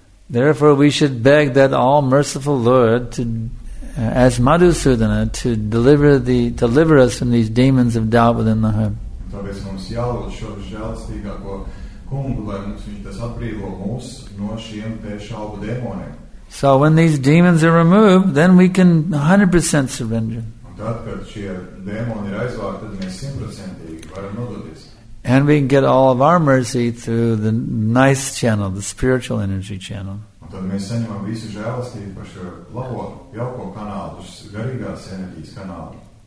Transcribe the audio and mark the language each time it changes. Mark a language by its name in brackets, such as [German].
[English] Therefore, we should beg that all merciful Lord to as Madhusudana to deliver us from these demons of doubt within the heart. [Latvian] Tāpēc mums jālūd šo žēlstīgāko kungu, lai mums viņš tas atbrīvo mūs no šiem te šaubu demoniem. [English] So when these demons are removed, then we can 100% surrender. [Latvian] Un tad, kad šie demoni ir aizvākti, tad mēs 100% varam nododies. [English] And we can get all of our mercy through the nice channel, the spiritual energy channel. [Latvian] Tad mēs saņemam visu žēlastību par šo labo, jauko kanālu, garīgās enerģijas kanālu.